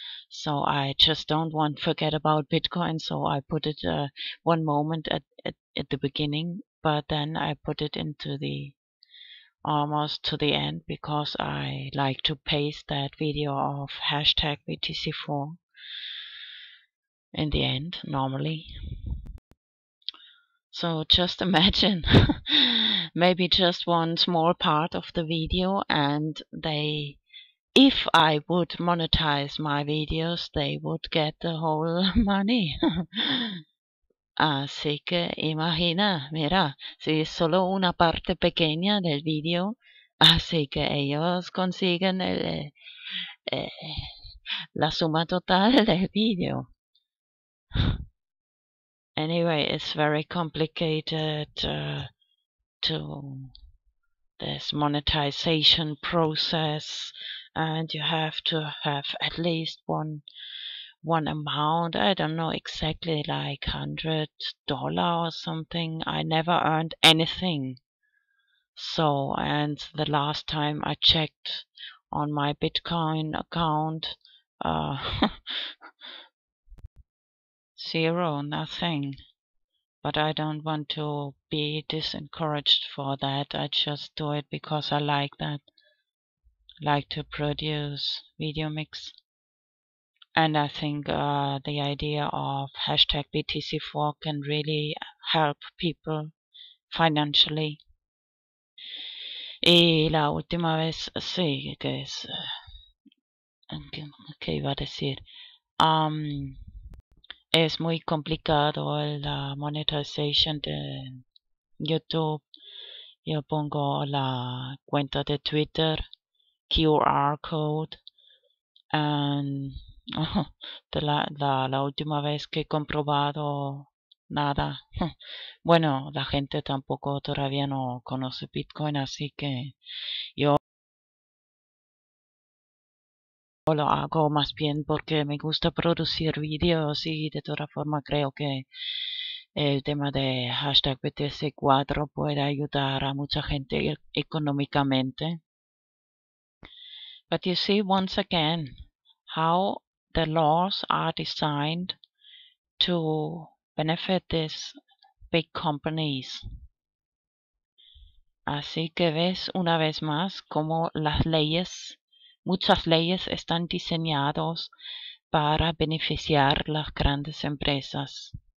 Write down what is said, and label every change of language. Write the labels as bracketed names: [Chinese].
[English] So I just don't want to forget about Bitcoin, so I put it one moment at the beginning, but then I put it into the almost to the end, because I like to paste that video of hashtag BTC4 in the end, normally. So just imagine, maybe just one small part of the video, and if I would monetize my videos, they would get the whole money. [Spanish] Así que imagina, mira, si es solo una parte pequeña del video, así que ellos consiguen la suma total del video. [English] Anyway, it's very complicated to this monetization process, and you have to have at least one amount, I don't know exactly, like $100 or something. I never earned anything. So, and the last time I checked on my Bitcoin account, zero, nothing. But I don't want to be disencouraged for that. I just do it because I like that. Like to produce VideoMix. And I think the idea of hashtag BTC4 can really help people financially. [Spanish] Y la última vez, sí, que es, ¿qué iba a decir? Es muy complicado la monetización de YouTube. Yo pongo la cuenta de Twitter, QR code, and la última vez que he comprobado nada. Bueno, la gente tampoco todavía no conoce Bitcoin, así que yo lo hago más bien porque me gusta producir videos, y de toda forma creo que el tema de hashtag BTC4 puede ayudar a mucha gente económicamente. [English] But you see once again how the laws are designed to benefit these big companies. [Spanish] Así que ves una vez más cómo las leyes Muchas leyes están diseñadas para beneficiar las grandes empresas.